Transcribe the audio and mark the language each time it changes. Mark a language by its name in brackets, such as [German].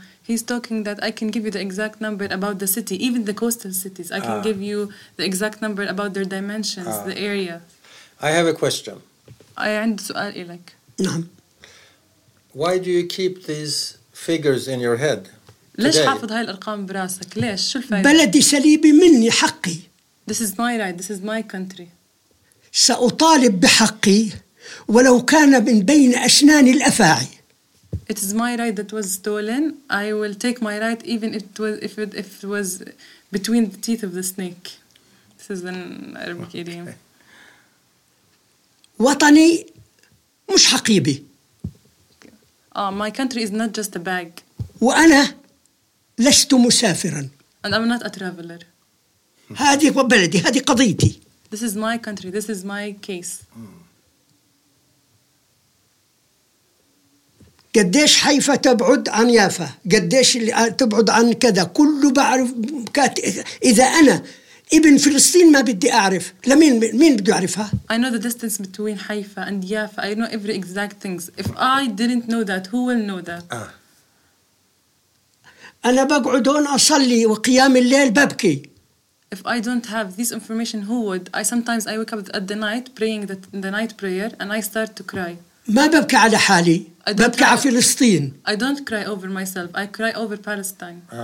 [English] he's talking that I can give you the exact number about the city even the coastal cities I can give you the exact number about their dimensions the area I have a question [Arabic] I عندي سؤال إليك نعم [English] why do you keep these figures in your head [Arabic] ليش [English] today. [Arabic] حافظ هاي الأرقام براسك؟ ليش؟ شو الفائدة؟ بلدي سليبي مني حقي. [English] This is my right. This is my country. [Arabic] سأطالب بحقي ولو كان من بين أسنان الأفاعي. [English] It is my right that was stolen. I will take my right even if it was, if it was between the teeth of the snake. This is an Arabic idiom. [Arabic] وطني مش حقيبي. [English] My country is not just a bag. [Arabic] وأنا لست مسافرا. [English] And I'm not a traveler. [Arabic] هذه بلدي، هذه قضيتي. [English] This is my country. This is my case. [Arabic] قديش حيفا تبعد عن يافا؟ قديش اللي تبعد عن كذا؟ كله بعرف إذا أنا ابن فلسطين ما بدي أعرف. لمين مين بدي أعرفها؟ [English] I know the distance between Haifa and Yafa. I know every exact things. If I didn't know that, who will know that? [Arabic] أنا بقعد هون أصلي وقيام الليل ببكي. [English] If I don't have this information, who would? Sometimes I wake up at the night praying the night prayer and I start to cry. [Arabic] ما ببكي على حالي. ببكي على فلسطين. [English] I don't cry over myself. I cry over Palestine.